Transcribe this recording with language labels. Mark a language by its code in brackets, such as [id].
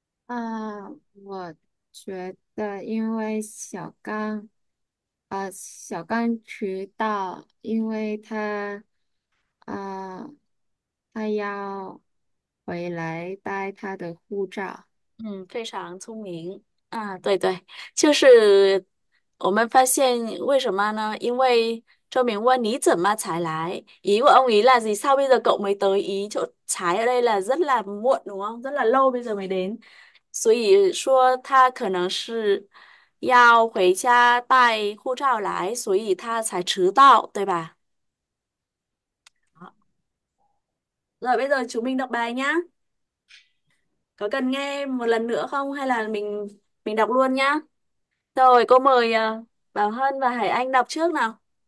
[zh] 我觉得因为小刚迟到，因为他要回来带他的护照。非常聪明啊！对对，就是我们发现为什么呢？因为周明问你怎么才来，因为 [vi] ông ấy là gì sao bây giờ cậu mới tới ý chỗ trái ở đây là rất là muộn đúng không? Rất là lâu bây giờ mới đến， [zh] 所以说他可能是要回家带护照来，所以他才迟到，对吧？ [vi] rồi bây giờ chúng mình đọc bài nhá。 Có cần nghe một lần nữa không hay là mình đọc luôn nhá? Rồi cô mời Bảo Hân và Hải Anh đọc trước nào.